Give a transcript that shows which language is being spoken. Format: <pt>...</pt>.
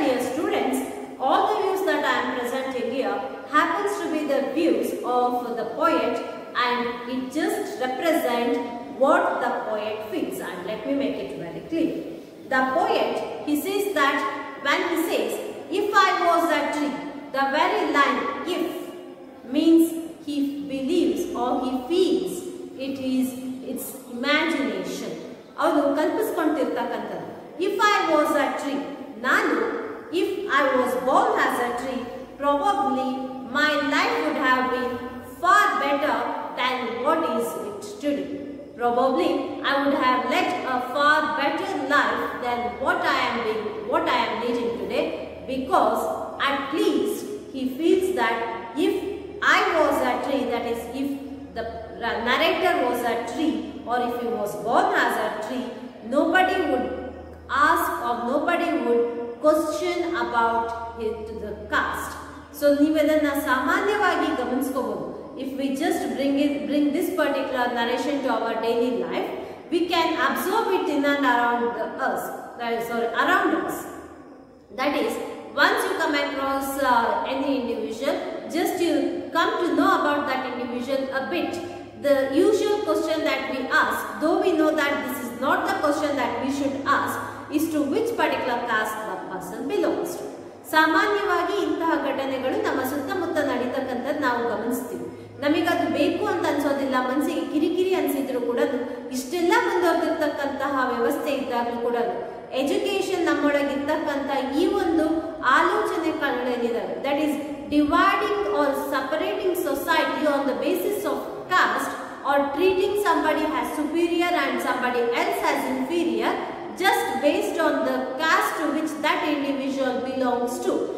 <en>Dear students, all the views that I am presenting here happens to be the views of the poet, and it just represent what the poet feels. And let me make it very clear. The poet, he says that, when he says, if I was a tree, the very line if means he believes or he feels it is its imagination.</en> <kn>ಅವನು ಕಲ್ಪಿಸ್ಕೊಂಡಿರ್ತಕ್ಕಂಥದ್ದು.</kn> <en>If I was a tree, ನಾನು if I was born as a tree, probably my life would have been far better than what is it today. Probably I would have led a far better life than what I am leading today, because at least he feels that if I was a tree, that is, if the narrator was a tree, or if he was born as a tree, nobody would ask or nobody would question about him to the caste. So</en> <kn>nivedana samanyavagi gamanisukobodu.</kn> <en>If we just bring this particular narration to our daily life, we can absorb it in and around us. That is, once you come across any individual, just you come to know about that individual a bit, the usual question that we ask, though we know that this is not the question that we should ask, is to which particular caste the person belongs to.</en> <kn>ಸಾಮಾನ್ಯವಾಗಿ ಇಂತಹ ಘಟನೆಗಳು ನಮ್ಮ ಸುತ್ತಮುತ್ತ ನಡೀತಕ್ಕಂಥದ್ದು ನಾವು ಗಮನಿಸ್ತೀವಿ. ನಮಗದು ಬೇಕು ಅಂತ ಅನ್ಸೋದಿಲ್ಲ, ಮನಸ್ಸಿಗೆ ಕಿರಿಕಿರಿ ಅನಿಸಿದ್ರು ಕೂಡ, ಇಷ್ಟೆಲ್ಲ ಮುಂದುವರೆದಿರ್ತಕ್ಕಂತಹ ವ್ಯವಸ್ಥೆ ಇದ್ದಾಗಲೂ ಕೂಡ ಎಜುಕೇಷನ್ ನಮ್ಮೊಳಗಿರ್ತಕ್ಕಂಥ ಈ ಒಂದು ಆಲೋಚನೆ ಕಳ್ಳೇನಿದ್ದಾವೆ,</kn> <en>That is dividing or separating society on the basis of caste, or treating somebody has superior and somebody else has inferior just based on the caste which that individual belongs to.</en>